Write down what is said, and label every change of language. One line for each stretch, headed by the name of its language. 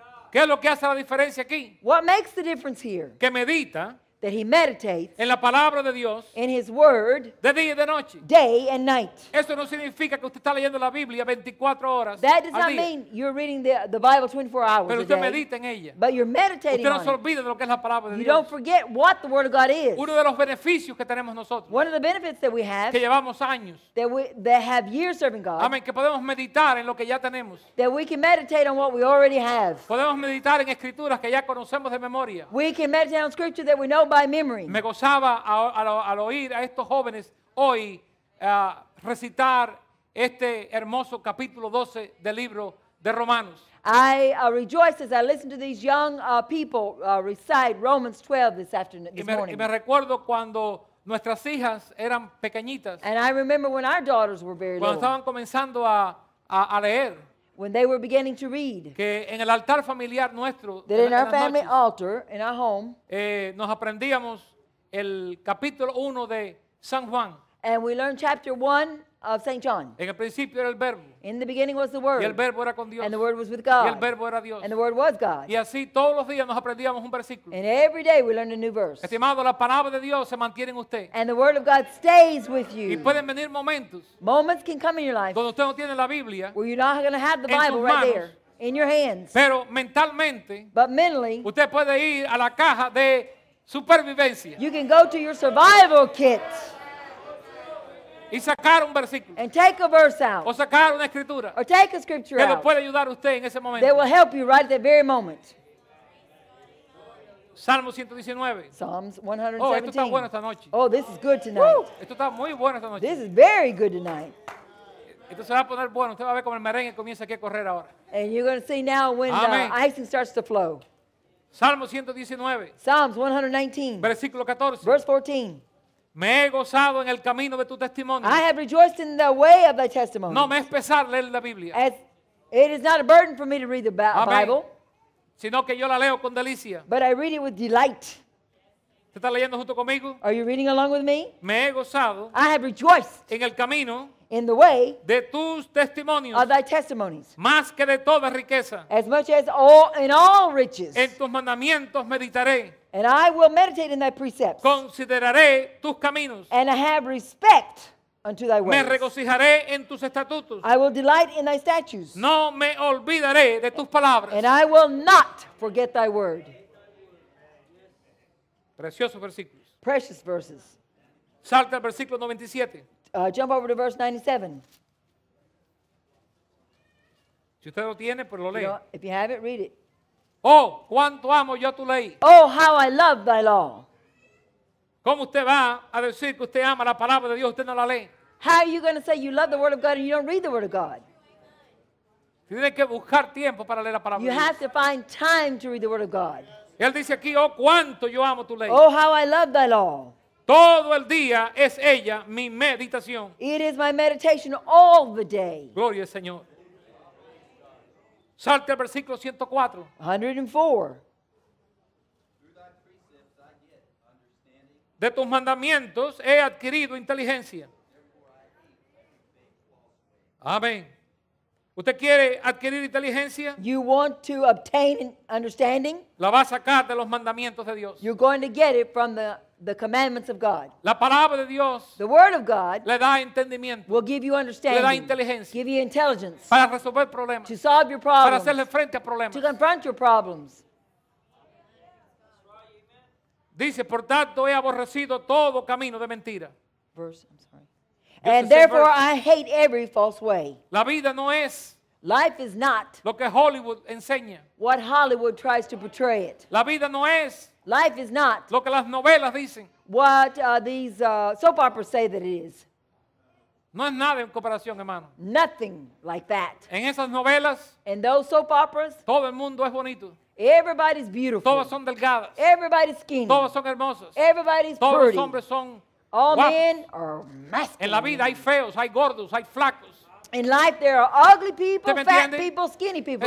Spanish: ¿Qué es lo que hace la diferencia aquí?
English: What makes the difference here?
Spanish: Que medita.
English: That he meditates.
Spanish: En la palabra de Dios.
English: In his word.
Spanish: De día y de noche.
English: Day and night.
Spanish: Eso no significa que usted está leyendo la Biblia 24 horas al día.
English: That does not mean you're reading the Bible 24 hours a
Spanish: day. Pero usted medita en ella.
English: But you're meditating
Spanish: usted no
English: on
Spanish: se olvida de lo que es la palabra de
English: you
Spanish: Dios.
English: You don't forget what the word of God is.
Spanish: Uno de los beneficios que tenemos nosotros.
English: One of the benefits that we have.
Spanish: Que llevamos años.
English: That have years serving God.
Spanish: Amén. Que podemos meditar en lo que ya tenemos.
English: That we can meditate on what we already have.
Spanish: Podemos meditar en escrituras que ya conocemos de memoria.
English: We can meditate on scripture that we know by memory.
Spanish: Me gozaba al oír a estos jóvenes hoy recitar este hermoso capítulo 12 del libro de Romanos.
English: I rejoice as I listen to these young people recite Romans 12 this afternoon, this morning.
Spanish: Y me recuerdo cuando nuestras hijas eran pequeñitas.
English: And I remember when our daughters were very
Spanish: cuando
English: little.
Spanish: Cuando estaban comenzando a leer.
English: When they were beginning to read.
Spanish: Que en el altar familiar nuestro.
English: That in our family noches, altar, in our home.
Spanish: Nos aprendíamos el capítulo 1 de San Juan.
English: And we learned chapter 1 of St. John.
Spanish: En el principio era el verbo.
English: In the beginning was the Word.
Spanish: Y el verbo era con Dios.
English: And the Word was with God.
Spanish: Y el verbo era Dios.
English: And the Word was God.
Spanish: Y así todos los días nos aprendíamos un versículo.
English: And every day we learned a new verse.
Spanish: Estimado, la palabra de Dios se mantiene en usted.
English: And the Word of God stays with you.
Spanish: Y pueden venir momentos.
English: Moments can come in your life.
Spanish: Donde usted no tiene la Biblia.
English: Where you're not going to have the Bible right there. In your hands.
Spanish: Pero mentalmente.
English: But mentally.
Spanish: Usted puede ir a la caja de supervivencia.
English: You can go to your survival kit.
Spanish: Y sacar un versículo.
English: And take a verse out.
Spanish: O sacar una escritura.
English: Or take a scripture
Spanish: que
English: out.
Spanish: Que lo puede ayudar usted en ese momento.
English: That will help you right at that very moment.
Spanish: Salmo 119.
English: Psalms 117.
Spanish: Oh, esto está bueno esta noche.
English: Oh, this is good tonight. Woo!
Spanish: Esto está muy bueno esta noche.
English: This is very good tonight.
Spanish: Esto se va a poner bueno. Usted va a ver cómo el merengue comienza aquí a correr ahora.
English: And you're going to see now when
Spanish: Amén.
English: The icing starts to flow.
Spanish: Salmo 119.
English: Psalms 119.
Spanish: Versículo 14.
English: Verse 14.
Spanish: Me he gozado en el camino de tu testimonio.
English: I have rejoiced in the way of thy testimony.
Spanish: No, me es pesar leer la Biblia.
English: As it is not a burden for me to read the Bible.
Spanish: Sino que yo la leo con delicia.
English: But I read it with delight.
Spanish: ¿Te estás leyendo junto conmigo?
English: Are you reading along with me?
Spanish: Me he gozado.
English: I have rejoiced.
Spanish: En el camino.
English: In the way.
Spanish: De tus testimonios.
English: Of thy testimonies.
Spanish: Más que de toda riqueza.
English: As much as all in all riches.
Spanish: En tus mandamientos meditaré.
English: And I will meditate in thy precepts.
Spanish: Consideraré tus caminos.
English: And I have respect unto thy ways.
Spanish: Me regocijaré en tus estatutos.
English: I will delight in thy statutes.
Spanish: No me olvidaré de tus palabras.
English: And I will not forget thy word.
Spanish: Preciosos versículos.
English: Precious verses.
Spanish: Salta al versículo 97.
English: Jump over to verse 97.
Spanish: Si usted lo tiene, pues lo lee.
English: You know, if you have it, read it.
Spanish: Oh, cuánto amo yo tu ley.
English: Oh, how I love thy law.
Spanish: ¿Cómo usted va a decir que usted ama la palabra de Dios, usted no la lee?
English: How are you going to say you love the word of God and you don't read the word of God?
Spanish: Tiene que buscar tiempo para leer la palabra.
English: You have to find time to read the word of God.
Spanish: Él dice aquí, oh, cuánto yo amo tu ley.
English: Oh, how I love thy law.
Spanish: Todo el día es ella mi meditación.
English: It is my meditation all the day.
Spanish: Gloria al Señor. Salte al versículo 104. 104. De tus mandamientos he adquirido inteligencia. Amén. ¿Usted quiere adquirir inteligencia?
English: You want to obtain understanding?
Spanish: La va a sacar de los mandamientos de Dios.
English: You're going to get it from the commandments of God.
Spanish: La palabra de Dios.
English: The word of God.
Spanish: Le da entendimiento.
English: Will give you understanding.
Spanish: Le da inteligencia.
English: Give you intelligence.
Spanish: Para resolver problemas.
English: To solve your problems.
Spanish: Para hacerle frente a problemas.
English: To confront your problems.
Spanish: Dice, por tanto he aborrecido todo camino de mentira.
English: Verse, I'm sorry. And therefore I hate every false way.
Spanish: La vida no es.
English: Life is not.
Spanish: Lo que Hollywood enseña.
English: What Hollywood tries to portray it.
Spanish: La vida no es.
English: Life is not.
Spanish: Lo que las novelas dicen.
English: What these soap operas say that it is.
Spanish: No es nada en comparación, hermano.
English: Nothing like that.
Spanish: En esas novelas.
English: In those soap operas.
Spanish: Todo el mundo es bonito.
English: Everybody's beautiful.
Spanish: Todos son delgadas.
English: Everybody's skinny.
Spanish: Todos son hermosos.
English: Everybody's
Spanish: todos
English: pretty.
Spanish: Todos los hombres son
English: all
Spanish: guapos.
English: Men are masculine.
Spanish: En la vida hay feos, hay gordos, hay flacos.
English: In life there are ugly people, fat people, skinny people.